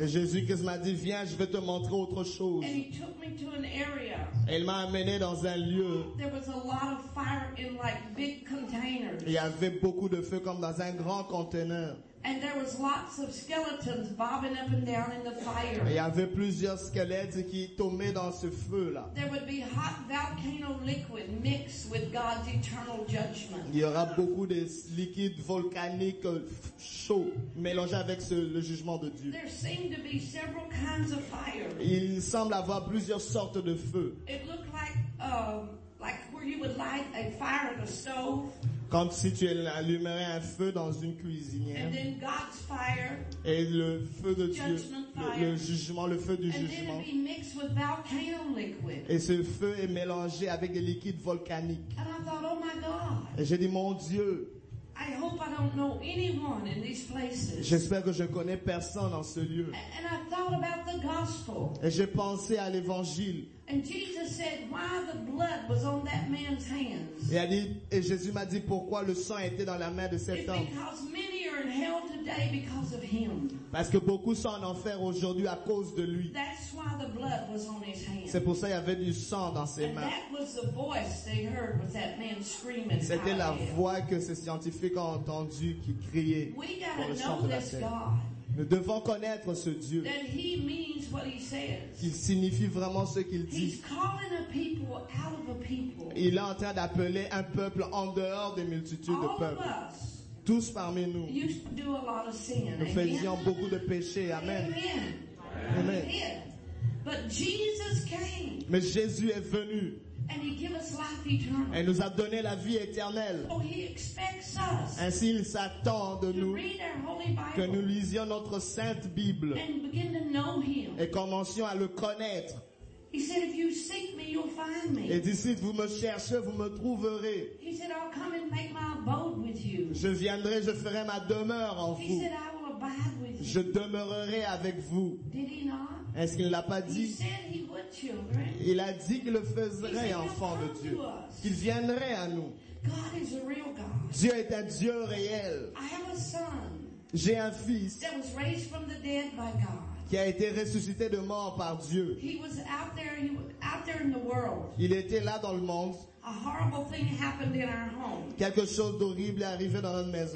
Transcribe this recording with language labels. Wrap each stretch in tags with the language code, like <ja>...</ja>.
<fr>Et Jésus-Christ m'a dit, viens, je vais te montrer autre chose.</fr> <en>And he took me to an area.</en> <fr>Et il m'a amené dans un lieu.</fr> <en>There was a lot of fire in like big containers.</en> <fr>Il y avait beaucoup de feu comme dans un grand conteneur.</fr> <en>And there was lots of skeletons bobbing up and down in the fire.</en> <fr>Et il y avait plusieurs squelettes qui tombaient dans ce feu là.</fr> <en>There would be hot volcano liquid mixed with God's eternal judgment.</en> <fr>Il y aura beaucoup de liquide volcanique chaud mélangé avec le jugement de Dieu.</fr> <en>There seemed to be several kinds of fire.</en> <fr>Il semble avoir plusieurs sortes de feu.</fr> <en>It looked like where you would light a fire on a stove.</en> <fr>Comme si tu allumerais un feu dans une cuisinière.</fr> <en>And then God's fire,</en> <fr>et le feu de Dieu,</fr> <en>fire,</en> <fr>le jugement, le feu du jugement.</fr> <en>Then mixed with volcano liquid.</en> <fr>Et ce feu est mélangé avec des liquides volcaniques.</fr> <en>And I thought, oh my God,</en> <fr>et j'ai dit, mon Dieu,</fr> <en>I hope I don't know anyone in these places.</en> <fr>J'espère que je ne connais personne dans ce lieu.</fr> <en>And I thought about the gospel.</en> <fr>Et j'ai pensé à l'évangile.</fr> <en>And Jesus said, "Why the blood was on that man's hands?"</en> <fr>Et Jésus m'a dit pourquoi le sang était dans la main de cet homme.</fr> <en>Because many are in hell today because of him.</en> <fr>Parce que beaucoup sont en enfer aujourd'hui à cause de lui.</fr> <en>That's why the blood was. was on his hand.</en> <fr>C'est pour ça qu'il y avait du sang dans ses mains.</fr> <en>That was the voice they heard, was that man screaming.</en> <fr>C'était la voix que ces scientifiques ont entendu qui criait.</fr> <en>We gotta know this God.</en> <fr>Nous devons connaître ce Dieu.</fr> <en>That he means what he says.</en> <fr>Qu'il signifie vraiment ce qu'il dit.</fr> <en>He's calling a people out of a people.</en> <fr>Il est en train d'appeler un peuple en dehors des multitudes</fr> <en>all</en> <fr>de peuples.</fr> <en>Of us.</en> <fr>Tous parmi nous.</fr> <en>You do a lot of sin.</en> <fr>Nous faisions beaucoup de péchés. Amen.</fr> <en>Amen. Amen. But Jesus came.</en> <fr>Mais Jésus est venu.</fr> <en>And he gave us life eternal.</en> <fr>Et nous a donné la vie éternelle.</fr> <en>So he expects us.</en> <fr>Ainsi, il s'attend de</fr> <en>to</en> <fr>nous</fr> <en>read our Holy Bible.</en> <fr>Que nous lisions notre Sainte Bible.</fr> <en>And begin to know him.</en> <fr>Et commencions à le connaître.</fr> <en>He said, if you seek me, you'll find me.</en> <fr>Et d'ici, vous me cherchez, vous me trouverez.</fr> <en>He said, I'll come and make my abode with you.</en> <fr>Je viendrai, je ferai ma demeure en</fr> <en>he</en> <fr>vous.</fr> <en>Said, I will abide with you.</en> <fr>Je demeurerai avec vous.</fr> <en>Did he not?</en> <fr>Est-ce qu'il ne l'a pas dit?</fr> <en>He said he would, children.</en> <fr>Il a dit qu'il le ferait, enfant de Dieu. Qu'il viendrait à nous.</fr> <en>God is a real God.</en> <fr>Dieu est un Dieu réel.</fr> <en>I have a son.</en> <fr>J'ai un fils.</fr> <en>That was raised from the dead by God.</en> <fr>Qui a été ressuscité de mort par Dieu.</fr> <en>He was out there, he was out there in the world.</en> <fr>Il était là dans le monde.</fr> <en>A horrible thing happened in our home.</en> <fr>Quelque chose d'horrible est arrivé dans notre maison.</fr>